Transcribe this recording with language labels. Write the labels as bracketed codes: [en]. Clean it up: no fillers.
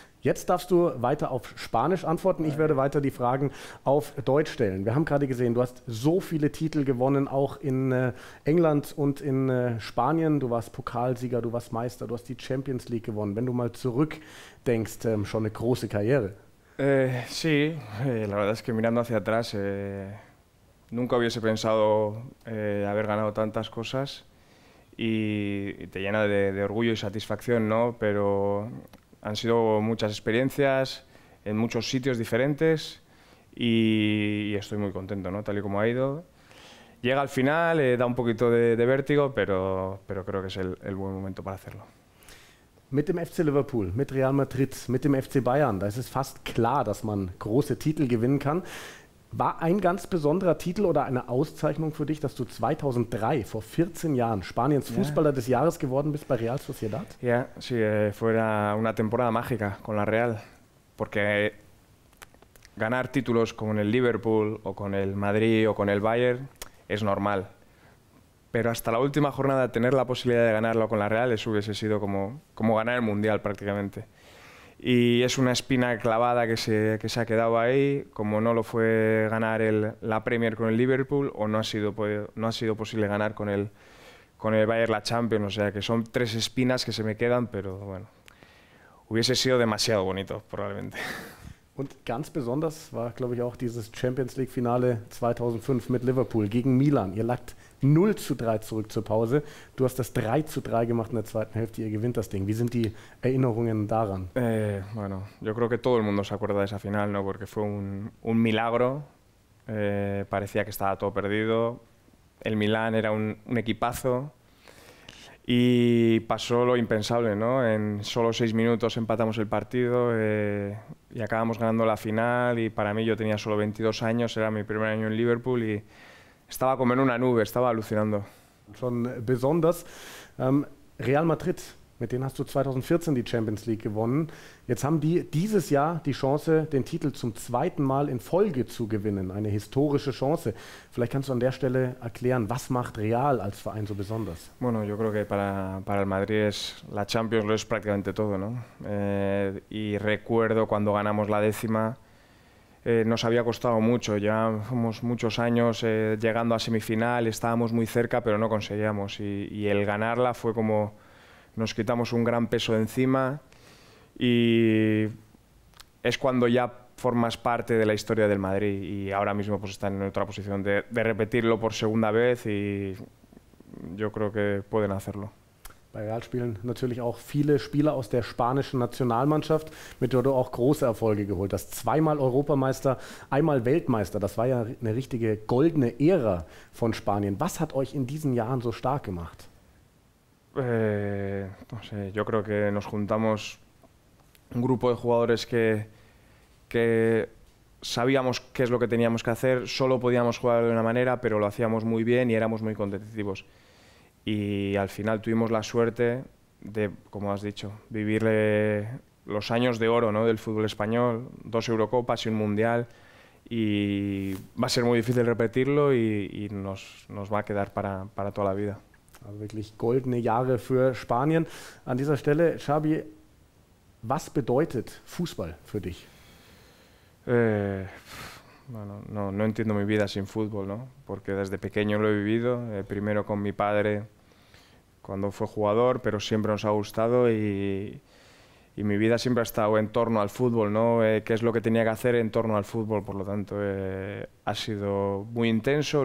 [de] Jetzt darfst du weiter auf Spanisch antworten. Ich werde weiter die Fragen auf Deutsch stellen. Wir haben gerade gesehen, du hast so viele Titel gewonnen, auch in England und in Spanien. Du warst Pokalsieger, du warst Meister, du hast die Champions League gewonnen. Wenn du mal zurückdenkst, schon eine große Karriere. [es] Sí, la verdad es que mirando hacia atrás nunca hubiese pensado haber ganado tantas cosas y te llena de orgullo y satisfacción, ¿no? Pero han sido muchas experiencias en muchos sitios diferentes y estoy muy contento, ¿no? Tal y como ha ido. Llega al final, da un poquito de vértigo, pero creo que es el buen momento para hacerlo. [de] Mit dem FC Liverpool, mit Real Madrid, mit dem FC Bayern, da ist es fast klar, dass man große Titel gewinnen kann. War ein ganz besonderer Titel oder eine Auszeichnung für dich, dass du 2003, vor 14 Jahren, Spaniens Fußballer des Jahres geworden bist bei Real Sociedad? [es] Ja, sí, fue una temporada mágica con la Real, porque ganar títulos con el Liverpool o con el Madrid o con el Bayern es normal. Pero hasta la última jornada tener la posibilidad de ganarlo con la Real eso hubiese sido como ganar el Mundial prácticamente. Y es una espina clavada que se ha quedado ahí, como no lo fue ganar la Premier con el Liverpool o no ha sido posible ganar con el Bayern la Champions. O sea que son 3 espinas que se me quedan, pero bueno, hubiese sido demasiado bonito probablemente. [de] Und ganz besonders war, glaube ich, auch dieses Champions League Finale 2005 mit Liverpool gegen Milan. Ihr lagt 0-3 zurück zur Pause. Du hast das 3-3 gemacht in der zweiten Hälfte. Ihr gewinnt das Ding. Wie sind die Erinnerungen daran? [es] Bueno, yo creo que todo el mundo se acuerda de esa final, ¿no? Porque fue un milagro. Parecía que estaba todo perdido. El Milan era un equipazo. Y pasó lo impensable, ¿no? En solo 6 minutos empatamos el partido y acabamos ganando la final. Y para mí, yo tenía solo 22 años, era mi primer año en Liverpool y estaba como en una nube, estaba alucinando. [de] Schon besonders. Real Madrid, Mit denen hast du 2014 die Champions League gewonnen. Jetzt haben die dieses Jahr die Chance, den Titel zum zweiten Mal in Folge zu gewinnen. Eine historische Chance. Vielleicht kannst du an der Stelle erklären, was macht Real als Verein so besonders? [es] Bueno, yo creo que para el Madrid es la Champions, lo es prácticamente todo, ¿no? Y recuerdo cuando ganamos la décima, nos había costado mucho. Llevábamos muchos años llegando a semifinal, estábamos muy cerca, pero no conseguíamos. Y el ganarla fue como nos quitamos un gran peso de encima y es cuando ya formas parte de la historia del Madrid y ahora mismo pues están en otra posición de repetirlo por segunda vez y yo creo que pueden hacerlo. [de] Bei Real spielen natürlich auch viele Spieler aus der spanischen Nationalmannschaft, mit der du auch große Erfolge geholt hast. Zweimal Europameister, einmal Weltmeister. Das war ja eine richtige goldene Ära von Spanien. Was hat euch in diesen Jahren so stark gemacht? [es] No sé, yo creo que nos juntamos un grupo de jugadores que sabíamos qué es lo que teníamos que hacer, solo podíamos jugar de una manera, pero lo hacíamos muy bien y éramos muy competitivos. Y al final tuvimos la suerte de, como has dicho, vivir los años de oro, ¿no?, del fútbol español, dos Eurocopas y un Mundial. Y va a ser muy difícil repetirlo y nos va a quedar para toda la vida. [de] Also wirklich goldene Jahre für Spanien. An dieser Stelle, Xabi, was bedeutet Fußball für dich? [es] Bueno, no entiendo mi vida sin fútbol, ¿no? Porque desde pequeño lo he vivido. Primero con mi padre cuando fue jugador, pero siempre nos ha gustado y mi vida siempre ha estado en torno al fútbol, ¿no? ¿Qué es lo que tenía que hacer en torno al fútbol? Por lo tanto, ha sido muy intenso.